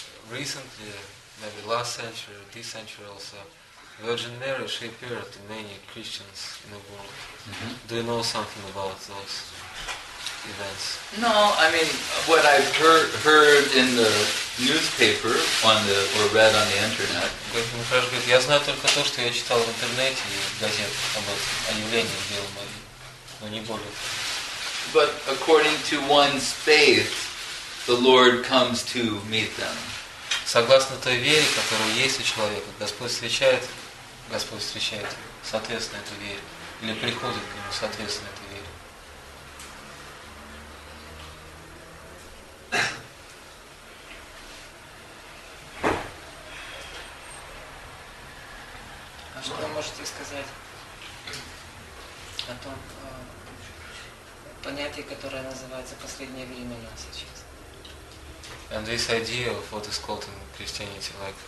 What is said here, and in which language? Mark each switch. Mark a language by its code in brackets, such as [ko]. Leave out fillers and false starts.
[en] Recently, maybe last century, this century also, Virgin Mary, she appeared to many Christians in the world. Mm-hmm. Do you know something about those events? No, I mean, what I've heard in the newspaper or read on the internet. [ru] Господин Фраш говорит, я знаю только то, что я читал в интернете и в газетах об явлении Девы Марии, но не более. [en] But according to one's faith, the Lord comes to meet them. [ru] Согласно той вере, которая есть у человека, Господь встречает соответственно эту веру, или приходит к нему соответственно этой вере. А что вы можете сказать о том понятие, которое называется последнее время сейчас. [en] And this idea of what is called in Christianity like